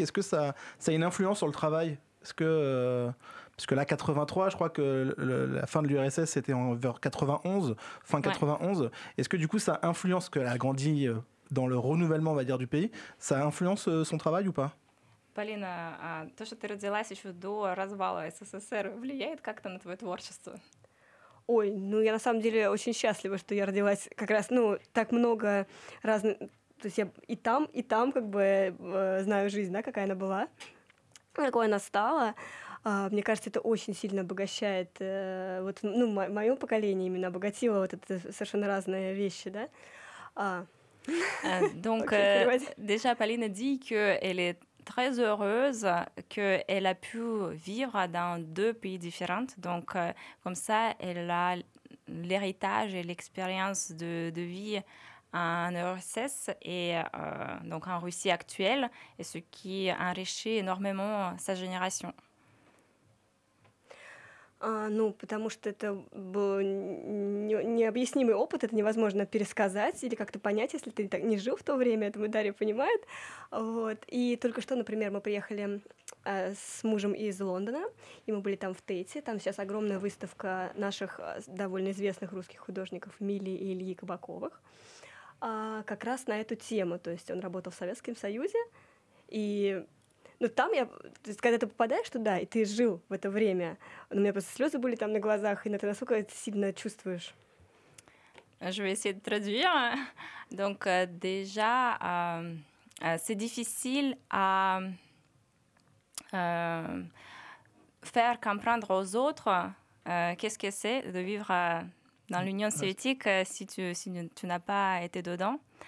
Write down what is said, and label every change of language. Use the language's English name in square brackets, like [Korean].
[French] Est-ce que ça a une influence sur le travail? Est-ce que... Parce que là, 83, je crois que la fin de l'URSS, c'était vers 91, fin 91. Ouais. Est-ce que du coup, ça influence, qu'elle a grandi dans le renouvellement, on va dire, du pays, ça influence son travail ou pas? [Russian] Полина, то, что ты родилась еще до развала СССР, влияет как-то на твое творчество? Ой, ну я на самом деле очень счастлива, что я родилась как раз, ну, так много разных... То есть я и там как бы знаю жизнь, да, какая она была, какой она стала. Мне кажется, это очень сильно обогащает, вот, ну, мое поколение именно обогатило вот это совершенно разные вещи, да. [French] Donc, déjà, Pauline dit qu'elle est très heureuse qu'elle a pu vivre dans deux pays différents. Donc, comme ça, elle a l'héritage et l'expérience de vie en URSS et donc en Russie actuelle, et ce qui enrichit énormément sa génération. [Russian] Ну, потому что это был необъяснимый опыт, это невозможно пересказать или как-то понять, если ты так не жил в то время, это Дарья понимает. Вот. И только что, например, мы приехали с мужем из Лондона, и мы были там в Тейте, там сейчас огромная выставка наших довольно известных русских художников Мили и Ильи Кабаковых, как раз на эту тему, то есть он работал в Советском Союзе, и... Но там я, то есть, когда ты попадаешь туда, и ты жил в это время, у меня просто слезы были там на глазах, и на то, насколько это сильно чувствуешь. [French] Je vais essayer de traduire. Donc déjà, c'est difficile à faire comprendre aux autres qu'est-ce que c'est de vivre dans l'Union soviétique si tu n'as pas été dedans.